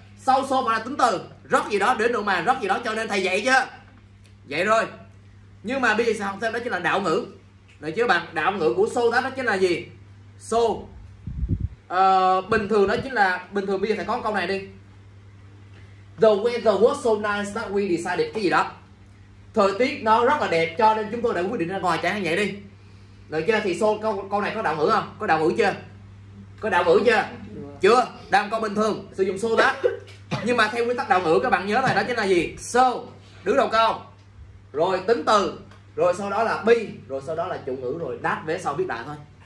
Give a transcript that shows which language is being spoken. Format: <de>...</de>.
<vi>Sau so phải là tính từ, rock gì đó đến nỗi mà, rock gì đó cho nên, thầy dạy chưa? Dạy rồi. Nhưng mà bây giờ sẽ học thêm đó chính là đạo ngữ. Được chưa bạn? Đạo ngữ của so that đó chính là gì? So bình thường đó chính là, bình thường bây giờ thầy có câu này đi.</vi> <en>The weather was so nice that we decided</en> <vi>cái gì đó. Thời tiết nó rất là đẹp cho nên chúng tôi đã quyết định ra ngoài, chẳng hạn vậy đi. Được chưa? Thì so câu này có đạo ngữ không? Có đạo ngữ chưa? Có đạo ngữ chưa? Chưa. Đang câu bình thường sử dụng so đó. Nhưng mà theo nguyên tắc đạo ngữ các bạn nhớ là đó chính là gì? So đứng đầu câu, rồi tính từ, rồi sau đó là be, rồi sau đó là chủ ngữ, rồi that vế sau viết lại thôi.</vi>